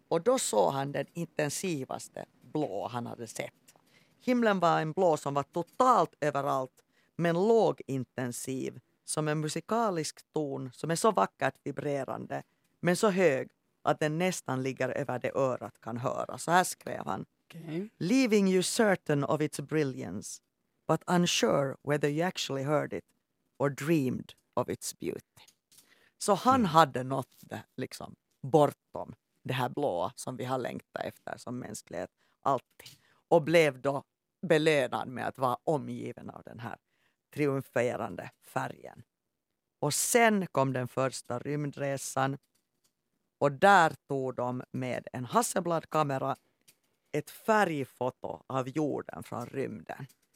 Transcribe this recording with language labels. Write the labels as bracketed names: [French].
[Swedish] Och då såg han den intensivaste blå han hade sett. Himlen var en blå som var totalt överallt men lågintensiv som en musikalisk ton som är så vackert vibrerande men så hög att den nästan ligger över det örat kan höra. Så här skrev han. Okay. [English] Leaving you certain of its brilliance, but unsure whether you actually heard it or dreamed of its beauty. [Swedish] Så han hade nått det, liksom, bortom det här blåa som vi har längtat efter som mänsklighet alltid. Och blev då belönad med att vara omgiven av den här triumferande färgen. Och sen kom den första rymdresan och där tog de med en Hasselblad-kamera ett färgfoto av jorden från rymden.